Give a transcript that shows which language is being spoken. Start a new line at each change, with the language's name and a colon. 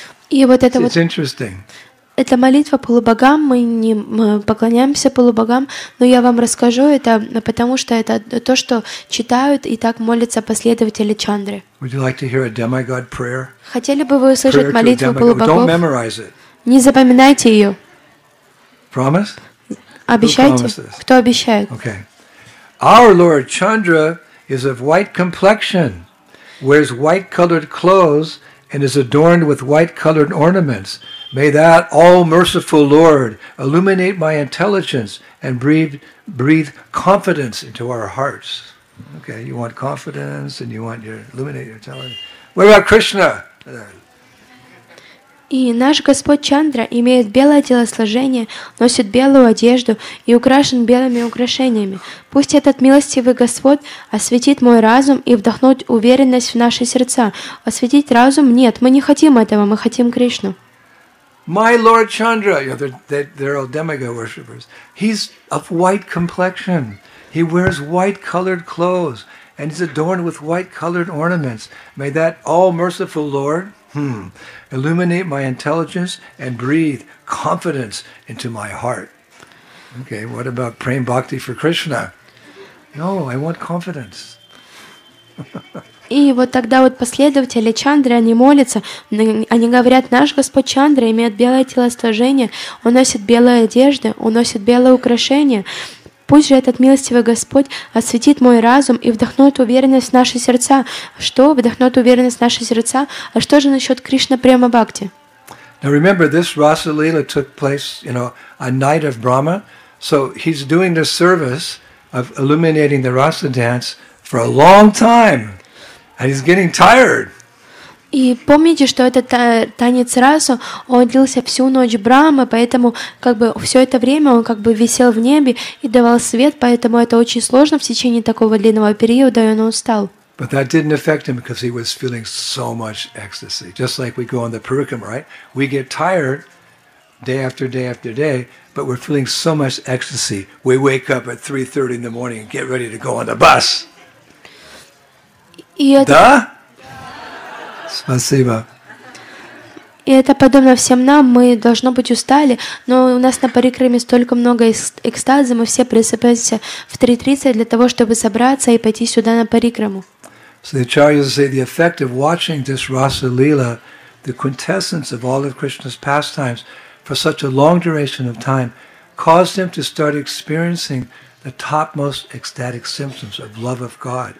Russian: И вот это
English: it's interesting.
Russian: Это молитва полубогам, мы не поклоняемся полубогам, но я вам расскажу это, потому что это то, что читают и так молятся последователи Чандры.
English: Would you like to hear a demigod prayer?
Russian: Хотели бы вы услышать молитву полубогов?
English: Don't memorize it.
Russian: Не запоминайте ее.
English: Promise?
Russian: Обещайте. Кто обещает?
English: Okay. Our Lord Chandra is of white complexion, wears white-colored clothes, and is adorned with white-colored ornaments. May that all-merciful Lord illuminate my intelligence and breathe confidence into our hearts. Okay, you want confidence and you want your illuminate your intelligence. What about Krishna?
Russian: И наш Господь Чандра имеет белое телосложение, носит белую одежду и украшен белыми украшениями. Пусть этот милостивый Господь осветит мой разум и вдохнет уверенность в наши сердца. Осветить разум? Нет, мы не хотим этого, мы хотим Кришну.
English: My Lord Chandra, you know, they're all demigod worshippers. He's of white complexion. He wears white-colored clothes, and he's adorned with white-colored ornaments. May that all-merciful Lord illuminate my intelligence and breathe confidence into my heart. Okay, what about praying bhakti for Krishna? No, I want confidence.
Russian: И вот тогда вот последователи Чандры, они молятся, они говорят, наш Господь Чандра имеет белое телосложение, он носит белые одежды, он носит белые украшения. Пусть же этот милостивый Господь осветит мой разум и вдохнет уверенность в наши сердца. Что вдохнет уверенность в наши сердца? А что же насчет Кришна Према Бхакти?
English: Now remember, this Rasa Lila took place, you know, a night of Brahma, so he's doing the service of illuminating the Rasa dance for a long time. And he's getting tired.
Russian: И помните, что этот танец Расу, он длился всю ночь Брамы, поэтому как бы все это время он как бы висел в небе и давал свет, поэтому это очень сложно в течение такого длинного периода, и он устал.
English: But that didn't affect him because he was feeling so much ecstasy. Just like we go on the Purukam, right? We get tired day after day after day, but we're feeling so much ecstasy. We wake up at 3:30 in the morning and get ready to go on the bus.
Russian: Да? Спасибо. И это подобно всем нам. Мы, должно быть, устали, но у нас на парикраме столько много экстаза, мы все просыпаемся в 3:30 для того, чтобы собраться и пойти сюда на парикраму.
English: So the acharyas say the effect of watching this Rasa Lila, the quintessence of all of Krishna's pastimes, for such a long duration of time, caused him to start experiencing the topmost ecstatic symptoms of love of God.